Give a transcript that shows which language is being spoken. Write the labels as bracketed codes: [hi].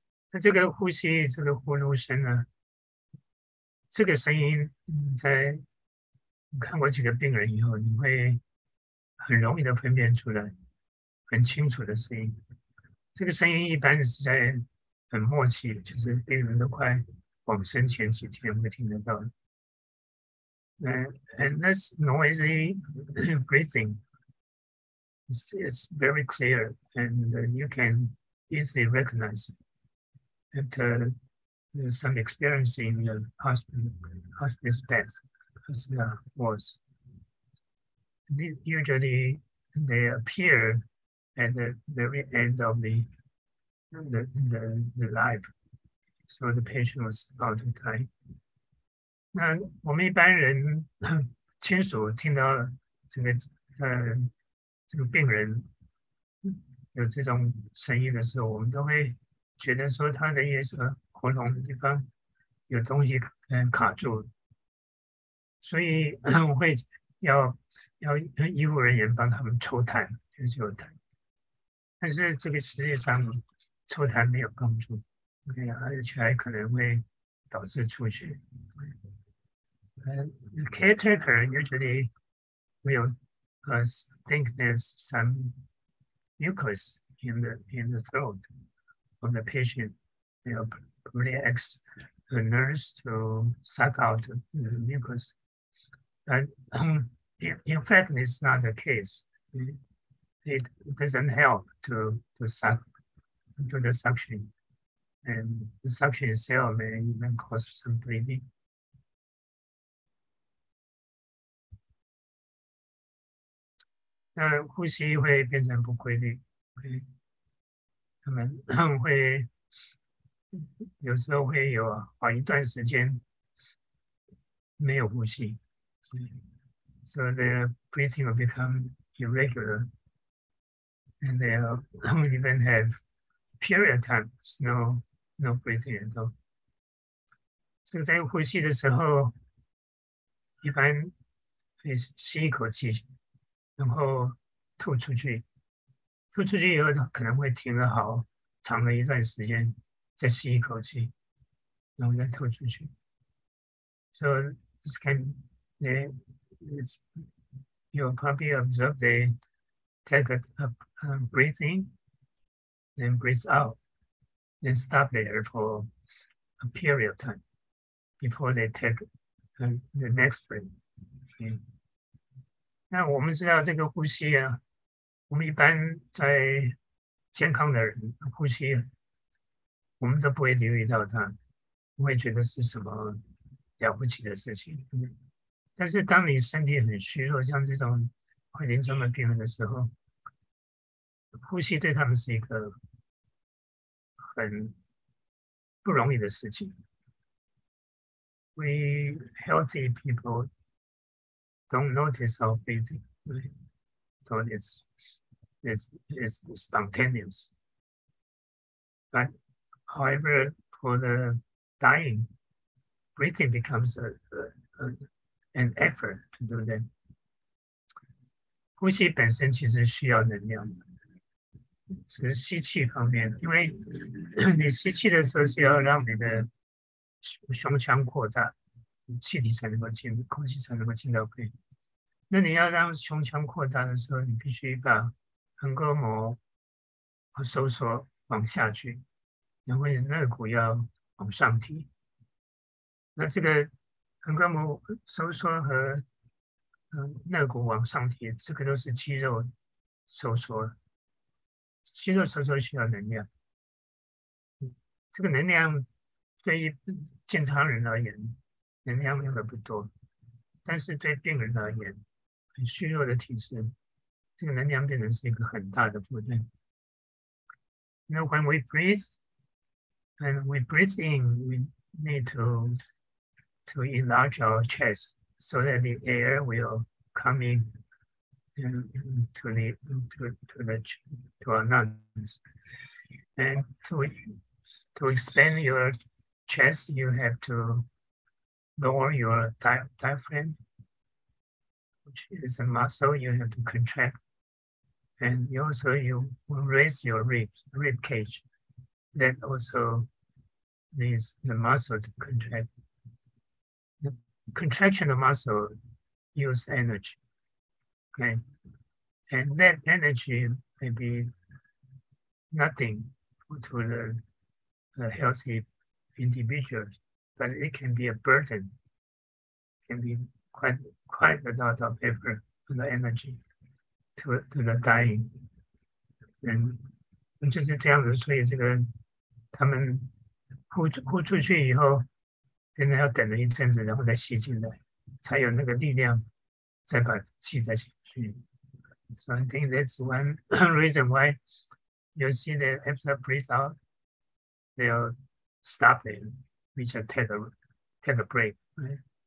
[zh] 那这个呼吸，这个呼噜声呢？这个声音，在看过几个病人以后，你会很容易的分辨出来，很清楚的声音。这个声音一般是在很末期，就是病人都快往生前几天会听得到。 [en] And this noisy breathing, it's very clear, and you can easily recognize after some experience in the hospice bed, as it was. Usually, they appear at the very end of the life, so the patient was about to die. [zh] 那我们一般人亲属听到这个病人有这种声音的时候，我们都会觉得说他的一些喉咙的地方有东西卡住，所以我会要医务人员帮他们抽痰，就是有痰，但是这个实际上抽痰没有帮助，OK，而且还可能会导致出血。 [en] Caretaker usually will think there's some mucus in the throat of the patient. They will probably ask the nurse to suck out the mucus. But in fact, it's not the case. It doesn't help to do the suction, and the suction itself may even cause some bleeding. [zh] Okay. 那呼吸会变成不规律，okay. 他们会有时候会有好一段时间没有呼吸， [en] so their breathing will become irregular, and they even have period times no breathing at all. [zh] 所以在呼吸的时候，一般会吸一口气，然后吐出去，吐出去以后可能会停了好长的一段时间，再吸一口气，然后再吐出去。 [en] So you'll probably observe they take a breath in, then breathe out, then stop there for a period of time before they take the next breath. Okay. [zh] 那我们知道这个呼吸啊，我们一般在健康的人呼吸，我们都不会留意到它，不会觉得是什么了不起的事情。但是当你身体很虚弱，像这种会临终的病人的时候，呼吸对他们是一个很不容易的事情。 [en] We healthy people don't notice our breathing, right? So it's spontaneous. But however, for the dying, breathing becomes an effort to do that. [zh] 呼吸本身其实需要能量，是吸气方面，因为你吸气的时候是要让你的胸腔扩大，气体才能够进，空气才能够进到肺。那你要让胸腔扩大的时候，你必须把横膈膜收缩往下去，然后你肋骨要往上提。那这个横膈膜收缩和肋骨往上提，这个都是肌肉收缩。肌肉收缩需要能量，这个能量对于健常人而言，能量用的不多，但是对病人而言，很虚弱的体质，这个能量变成是一个很大的负担。 [en] Now when we breathe and we breathe in, we need to enlarge our chest so that the air will come in to the to our lungs. And to expand your chest, you have to lower your diaphragm, which is a muscle you have to contract. And also you will raise your rib cage. That also needs the muscle to contract. The contraction of muscle use energy. Okay. And that energy may be nothing to the healthy individuals, but it can be a burden. Can be quite a lot of effort and energy to the dying. [zh] And 就是这样子，所以这个他们呼出去以后，真的要等了一阵子，然后再吸进来，才有那个力量再把气再吸进去。 [en] So I think that's one reason why you see that after breathe out, they'll stop it, which will take a break, right?